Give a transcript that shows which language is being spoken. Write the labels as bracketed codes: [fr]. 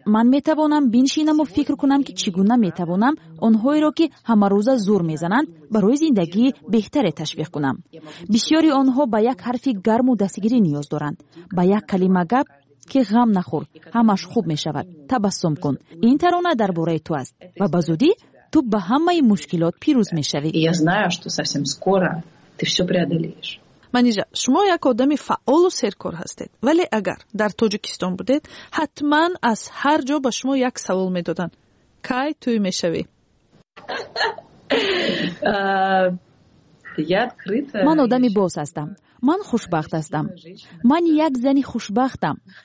[fa] من می توانم بینشینم و فکر کنم که چگونه می توانم آنهایی را که همه روزه زور می زنند برای زندگی بهتر تشویق کنم. بسیاری آنها با یک حرف گرم و دستگیری نیاز دارند. با یک کلمه گپ که غم نخور، همش خوب می شود، تبسم کن. این ترانه در باره تو است و به زودی تو به همه مشکلات پیروز می شوید. [ru] Я знаю, что совсем скоро ты все преодолеешь. [fa] منیجا، شما یک آدمی فعال و سرکار هستید. ولی اگر در تاجیکستان بودید، حتما از هر جا به شما یک سوال می دادن. کی توی می شوی؟ من آدمی باز هستم. من خوشبخت هستم. من یک زنی خوشبختم.